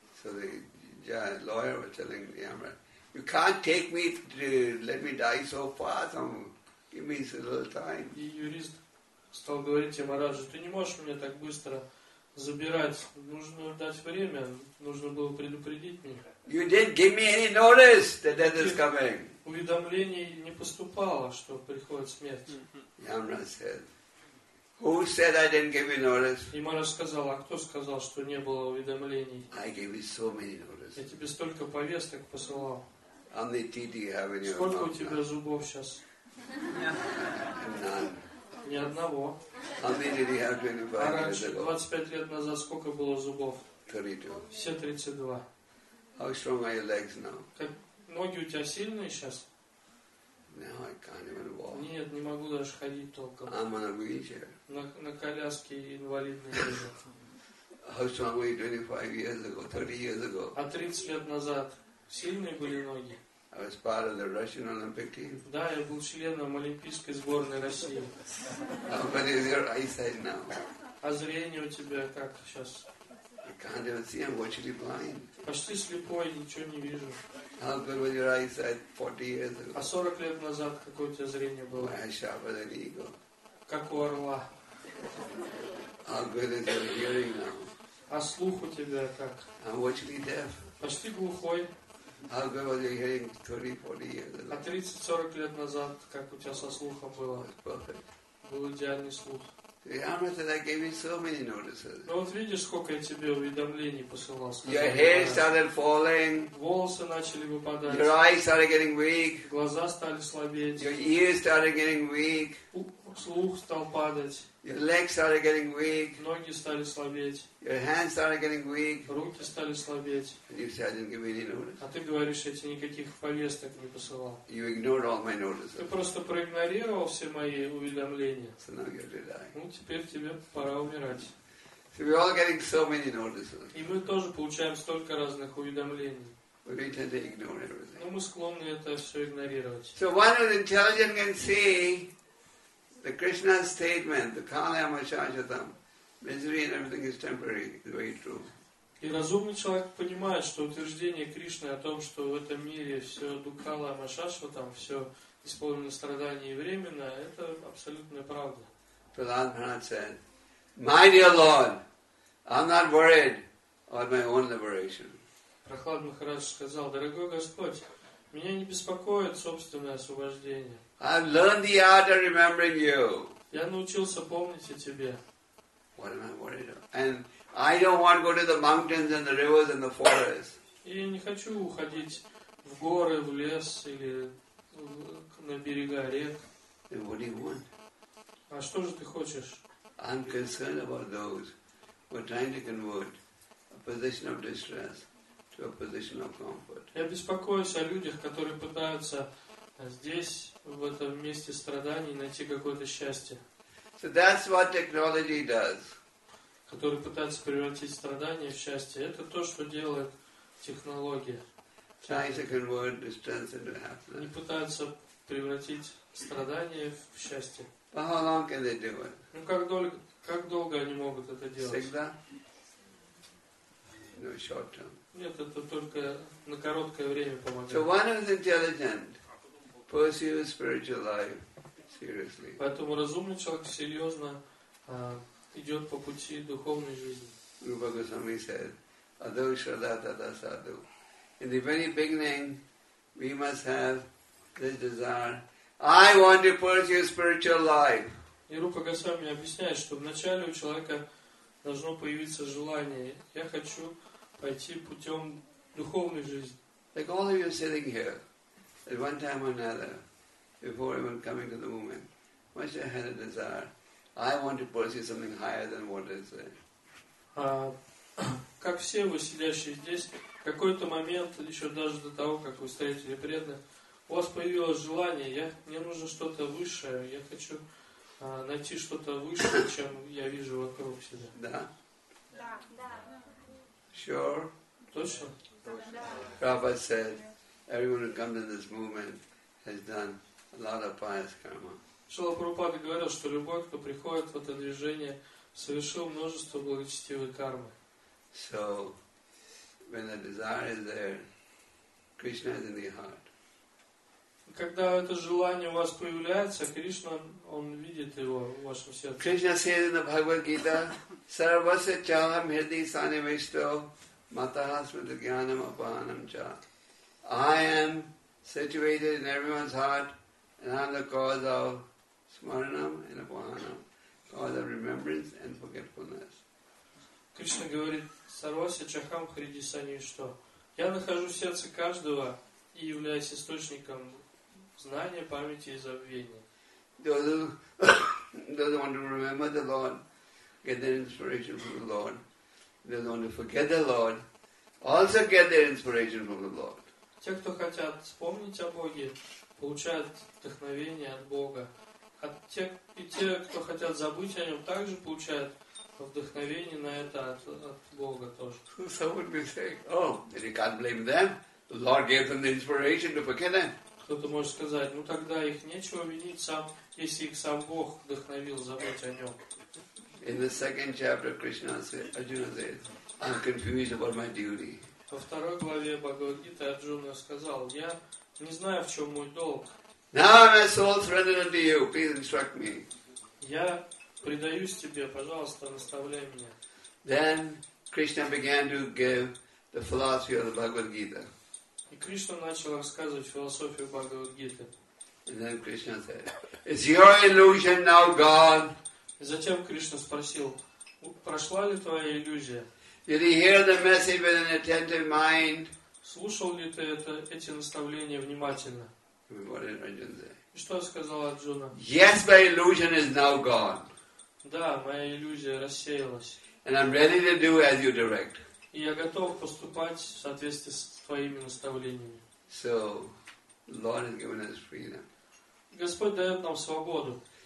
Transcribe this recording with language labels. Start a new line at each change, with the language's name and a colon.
English: So the lawyer was telling Yamaraj, "You can't take me to let me die so fast. Give me a little time."
Russian: И юрист стал говорить Ямараджу: "Ты не можешь меня так быстро забирать. Нужно дать время. Нужно было предупредить меня."
English: You didn't give me any notice that death is coming.
Russian: Уведомлений не поступало, что приходит смерть.
English: Yamaraj said, "Who said I didn't give you notice?"
Russian: Ямараш сказал: "А кто сказал, что не было уведомлений?"
English: I gave you so many notices.
Russian: Я тебе столько повесток посылал.
English: How many teeth do you have in your mouth?
Russian: Сколько у тебя зубов сейчас?
English: None.
Russian: Ни одного.
English: How many did you have 25 years ago?
Russian: А раньше, 25 лет назад, сколько было зубов?
English: 32.
Russian: Все 32.
English: How strong are your legs now?
Russian: Ноги у тебя сильные сейчас?
English: Now I can't even walk.
Russian: Нет, не могу даже ходить толком.
English: I'm on a wheelchair.
Russian: На коляске инвалидный.
English: How strong were you 25 years ago, 30 years ago?
Russian: А 30 лет назад сильные были ноги?
English: I was part of the Russian Olympic team.
Russian: Да, я был членом олимпийской сборной России.
English: How bad is your eyesight now?
Russian: А зрение у тебя как сейчас?
English: I can't even see. I'm virtually blind.
Russian: Почти слепой, ничего не вижу.
English: How good was your eyesight 40 years ago?
Russian: А 40 лет назад какое у тебя зрение было?
English: My sharper than eagle.
Russian: Как у орла.
English: How good is your hearing now?
Russian: А слух у тебя как?
English: I'm virtually deaf.
Russian: Почти глухой.
English: How good was your hearing 30-40 years ago?
Russian: А 30-40 лет назад как у тебя со слухом было?
English: Perfect.
Russian: Был идеальный слух.
English: Yamaraj said, "I gave you so many notices."
Russian: Но вот видишь, сколько я тебе уведомлений посылал.
English: Your hair started falling.
Russian: Волосы начали выпадать.
English: Your eyes started getting weak.
Russian: Глаза стали слабеть.
English: Your ears started getting weak.
Russian: Слух стал падать.
English: Your legs started getting weak.
Russian: Ноги стали слабеть.
English: Your hands started getting weak.
Russian: Руки стали слабеть.
English: And you said, "I didn't give any notices."
Russian: А ты говоришь, я тебе никаких повесток не посылал.
English: You ignored all my notices.
Russian: Ты просто проигнорировал все мои уведомления.
English: So now you're going to die.
Russian: Ну теперь тебе пора умирать.
English: So we're all getting so many notices.
Russian: И мы тоже получаем столько разных уведомлений.
English: We tend to ignore everything.
Russian: Но мы склонны это все игнорировать.
English: So one who's intelligent can see the Krishna's statement, the Kalayama Shashatam, misery and everything is temporary, is very true.
Russian: И разумный человек понимает, что утверждение Кришны о том, что в этом мире все Дукалама Шашватам, все исполнено страданий и временно, это абсолютная правда.
English: Prahlad Maharaj said, "My dear Lord, I'm not worried about my own liberation."
Russian: Prahlad Maharaj сказал: "Дорогой Господь, меня не беспокоит собственное освобождение.
English: I've learned the art of remembering you.
Russian: Я научился помнить о тебе.
English: What am I worried about? And I don't want to go to the mountains and the rivers and the forests.
Russian: Я не хочу уходить в горы, в лес или на берега рек.
English: Then what do you want?
Russian: А что же ты хочешь?
English: I'm concerned about those who are trying to convert a position of distress to a position of comfort.
Russian: Я беспокоюсь о людях, которые пытаются здесь, в этом месте страданий, найти какое-то счастье.
English: So that's what technology does.
Russian: Которые пытаются превратить страдания в счастье. Это то, что делает технология.
English: Tries to convert distress into happiness.
Russian: Они пытаются превратить страдания в счастье.
English: But how long can they do it?
Russian: Ну, как долго они могут это делать? Всегда?
English: No, short term.
Russian: Нет, это только на короткое время помогает.
English: So one who is intelligent pursues spiritual life seriously.
Russian: Поэтому разумный человек серьезно идет по пути духовной жизни.
English: Rupa Goswami said,
Sanskrit: Adho Shraddha Tata Sadhu.
English: In the very beginning, we must have this desire. I want to pursue spiritual life.
Russian: И Рупа Госвами объясняет, что вначале у человека должно появиться желание. Я хочу пойти путем духовной жизни.
English: Like all of you sitting here, at one time or another, before even coming to the movement, must have had a desire. I want to pursue something higher than what is there.
Russian: Как все вы сидящие здесь, в какой-то момент, еще даже до того, как вы встретили преданных, у вас появилось желание, мне нужно что-то высшее, я хочу найти что-то высшее, чем я вижу вокруг себя. Да? Да.
English: Sure?
Russian: Точно? Да.
English: Prabhupada said, everyone who comes in this movement has done a lot of pious karma.
Russian: Шрила Прабхупада говорил, что любой, кто приходит в это движение, совершил множество благочестивой кармы.
English: So, when the desire is there, Krishna is in the heart.
Russian: Когда это желание у вас появляется, Кришна, он видит его в вашем сердце.
English: Krishna says in the Bhagavad Gita,
Sanskrit: Sarvasya cha mirdi sanivishto mataha smita jnanam apahanam cha.
English: I am situated in everyone's heart and I am the cause of smaranam and apahanam, cause of remembrance and forgetfulness.
Russian: Кришна говорит,
Sanskrit: Sarvasya chaham hridi sanivishto.
Russian: Я нахожусь в сердце каждого и являюсь источником знания, памяти и забвения.
English: Those want to remember the Lord, get their inspiration from the Lord. Those want to forget the Lord, also get their inspiration from the Lord.
Russian: Те, кто хотят вспомнить о Боге, получают вдохновение от Бога. А те, и те, кто хотят забыть о Нем, также получают вдохновение на это от Бога тоже.
English: Some would be saying, oh, and you can't blame them. The Lord gave them the inspiration to forget them.
Russian: Кто-то может сказать, ну тогда их нечего винить сам, если их сам Бог вдохновил забыть о Нем.
English: In the second chapter of Krishna, Arjuna said, I'm confused about my duty.
Russian: Во второй главе Бхагавад Гиты Арджуна сказал, я не знаю, в чем мой долг.
English: Now my soul surrendered unto you. Please instruct me.
Russian: Я предаюсь тебе, пожалуйста, наставляй меня.
English: Then Krishna began to give the philosophy of the Bhagavad Gita.
Russian: И Кришна начал рассказывать философию Бхагавад Гиты.
English: And then Krishna said, "It's your illusion now, God."
Russian: И затем Кришна спросил, прошла ли твоя иллюзия?
English: Did you hear the message with an attentive mind?
Russian: Слушал ли ты эти наставления внимательно?
English: What did Arjuna say?
Russian: И что сказал Арджуна?
English: Yes, my illusion is now gone.
Russian: Да, моя иллюзия рассеялась.
English: And I'm ready to do as you direct.
Russian: И я готов поступать в соответствии с твоими наставлениями.
English: So, Lord has given us freedom.
Russian: Господь дает нам свободу.